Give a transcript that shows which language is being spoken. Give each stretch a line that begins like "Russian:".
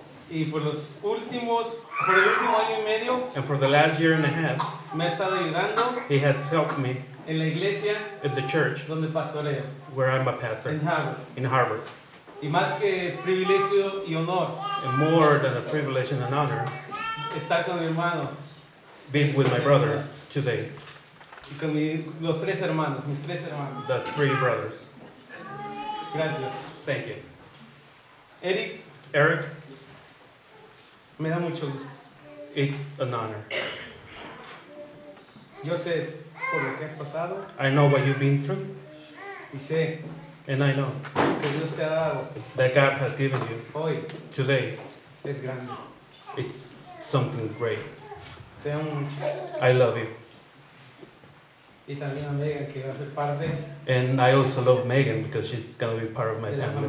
Spanish: Y por los últimos, por el último año y medio,
English: and for the last year and a half,
Spanish: me ha estado ayudando,
English: he has helped me
Spanish: en la iglesia,
English: at the church
Spanish: donde pastoreo,
English: where I'm a pastor
Spanish: in Harvard. Y más que privilegio y honor,
English: and more than a privilege and an honor,
Spanish: estar con mi hermano,
English: being with my brother today.
Spanish: Y con los tres hermanos, mis tres hermanos.
English: The three brothers.
Spanish: Gracias.
English: Thank you.
Spanish: Eric. Me da mucho gusto.
English: It's an honor.
Spanish: Yo sé por lo que has pasado.
English: I know what you've been through.
Spanish: Y sé.
English: And I know.
Spanish: Que Dios te ha dado.
English: That God has given you.
Spanish: Hoy.
English: Today.
Spanish: Es grande.
English: It's something great.
Spanish: Te amo mucho.
English: I love you.
Spanish: Y también a Megan, que va a ser parte.
English: And I also love Megan because she's going to be part of my family.